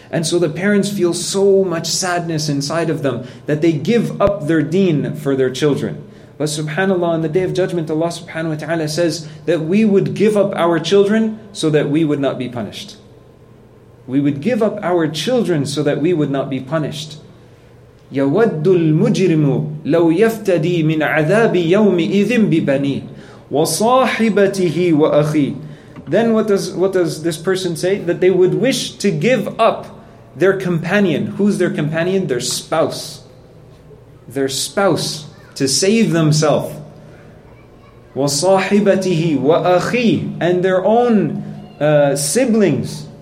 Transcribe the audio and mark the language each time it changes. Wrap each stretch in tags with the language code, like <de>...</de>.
<en>And so the parents feel so much sadness inside of them that they give up their deen for their children. But subhanAllah, on the day of judgment, Allah subhanahu wa ta'ala says that we would give up our children so that we would not be punished. We would give up our children so that we would not be punished.</en> <ar>يود المجرم لو يفتدي من عذاب يوم إذن ببنيه وصاحبته وأخيه.</ar> <en>Then what does this person say? That they would wish to give up their companion. Who's their companion? Their spouse. Their spouse. To save themselves.</en> <ar>وَصَاحِبَتِهِ وَأَخِيهِ</ar> <en>And their own siblings.</en>